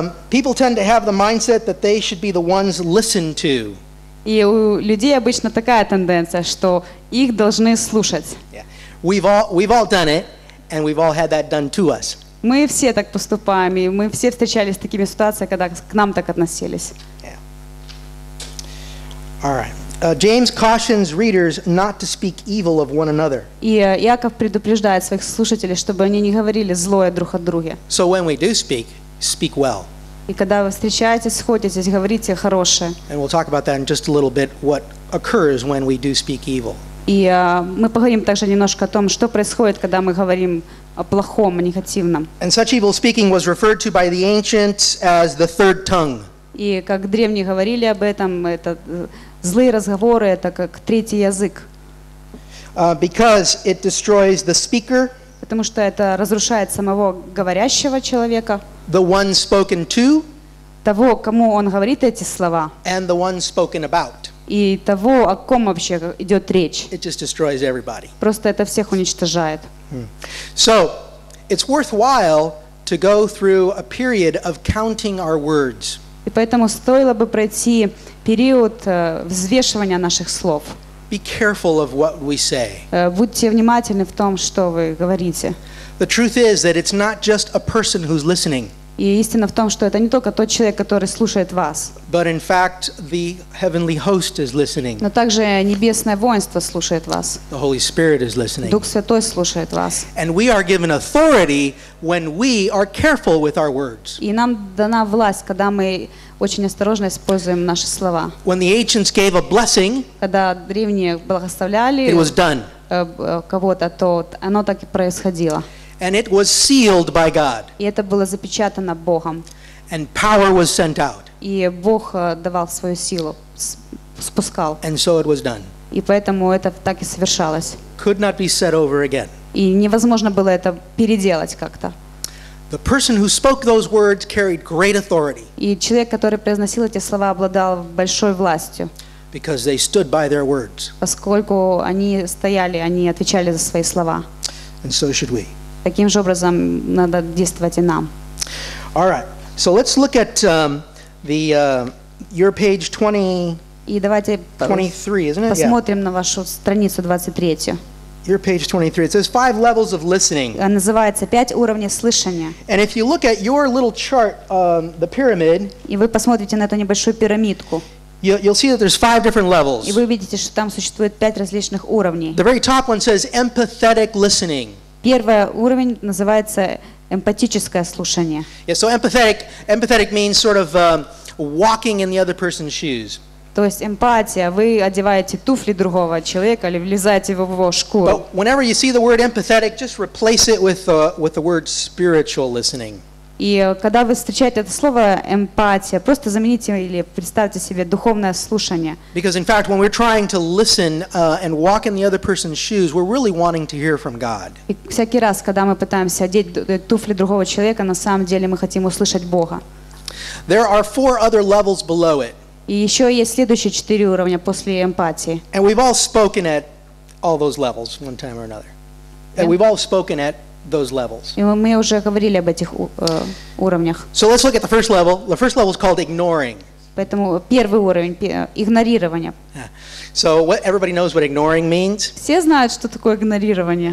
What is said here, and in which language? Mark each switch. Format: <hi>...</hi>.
<en>People tend to have the mindset that they should be the ones listened to.</en> <ru>И у людей обычно такая тенденция, что их должны слушать.</ru> <en>Yeah. We've all done it, and we've all had that done to us.</en> <ru>Мы все так поступаем, и мы все встречались с такими ситуациями, когда к нам так относились.</ru> <en>Yeah. All right. James cautions readers not to speak evil of one another.</en> <ru>И Иаков предупреждает своих слушателей, чтобы они не говорили злое друг о друге.</ru> <en>So when we do speak, speak well.</en> <ru>И когда вы встречаетесь, сходитесь, говорите хорошее.</ru> <en>And we'll talk about that in just a little bit, what occurs when we do speak evil.</en> <ru>И мы поговорим также немножко о том, что происходит, когда мы говорим о плохом, о негативном.</ru> <en>And such evil speaking was referred to by the ancients as the third tongue.</en> <ru>И как древние говорили об этом, это злые разговоры, это как третий язык.</ru> <en>Because it destroys the speaker.</en> <ru>Потому что это разрушает самого говорящего человека.</ru> <en>The one spoken to.</en> <ru>Того, кому он говорит эти слова.</ru> <en>And the one spoken about.</en> <ru>И того, о ком вообще идет речь.</ru> <en>It just destroys everybody.</en> <ru>Просто это всех уничтожает.</ru> <en>So, it's worthwhile to go through a period of counting our words.</en> <ru>И поэтому стоило бы пройти период взвешивания наших слов.</ru> <en>Be careful of what we say.</en> <ru>Будьте внимательны в том, что вы говорите.</ru> <en>The truth is that it's not just a person who's listening.</en> <ru>И истина в том, что это не только тот человек, который слушает вас.</ru> <en>But in fact, the heavenly host is listening.</en> <ru>Но также небесное воинство слушает вас.</ru> <en>The Holy Spirit is listening.</en> <ru>Дух Святой слушает вас.</ru> <en>And we are given authority when we are careful with our words.</en> <ru>И нам дана власть, когда мы очень осторожно используем наши слова.</ru> <en>When the ancients gave a blessing,</en> <ru>когда древние благословляли,</ru> <en>it was done.</en> <ru>Кого-то, то оно так и происходило.</ru> <en>And it was sealed by God.</en> <ru>И это было запечатано Богом.</ru> <en>And power was sent out.</en> <ru>И Бог давал свою силу, спускал.</ru> <en>And so it was done.</en> <ru>И поэтому это так и совершалось.</ru> <en>Could not be said over again.</en> <ru>И невозможно было это переделать как-то.</ru> <en>The person who spoke those words carried great authority.</en> <ru>И человек, который произносил эти слова, обладал большой властью.</ru> <en>Because they stood by their words.</en> <ru>Поскольку они стояли, они отвечали за свои слова.</ru> <en>And so should we.</en> <ru>Таким же образом надо действовать и нам.</ru> <en>All right. So let's look at your page 20.</en> <ru>И давайте</ru> <en>23, isn't it?</en> <ru>Посмотрим на вашу страницу 23.</ru> <en>Your page 23. It says five levels of listening.</en> <ru>Называется пять уровней слышания.</ru> <en>And if you look at your little chart, the pyramid.</en> <ru>И вы посмотрите на эту небольшую пирамидку.</ru> <en>You'll see that there's five different levels.</en> <ru>И вы видите, что там существует пять различных уровней.</ru> <en>The very top one says empathetic listening.</en> <ru>Первый уровень называется эмпатическое слушание.</ru> <en>Yeah, so empathetic means sort of walking in the other person's shoes.</en> <ru>То есть эмпатия, вы одеваете туфли другого человека или влезаете в его шкуру.</ru> <en>But whenever you see the word empathetic, just replace it with the word spiritual listening.</en> <ru>И когда вы встречаете это слово эмпатия, просто замените или представьте себе духовное слушание.</ru> <en>Because in fact, when we're trying to listen and walk in the other person's shoes, we're really wanting to hear from God.</en> <ru>И всякий раз, когда мы пытаемся одеть туфли другого человека, на самом деле мы хотим услышать Бога.</ru> <en>There are four other levels below it.</en> <ru>И еще есть следующие четыре уровня после эмпатии.</ru> <en>And we've all spoken at all those levels one time or another. And we've all spoken at those levels.</en> <ru>И мы уже говорили об этих уровнях.</ru> <en>So let's look at the first level. The first level is called ignoring.</en> <ru>Поэтому первый уровень игнорирование.</ru> <en>Yeah. So what everybody knows what ignoring means?</en> <ru>Все знают, что такое игнорирование.</ru>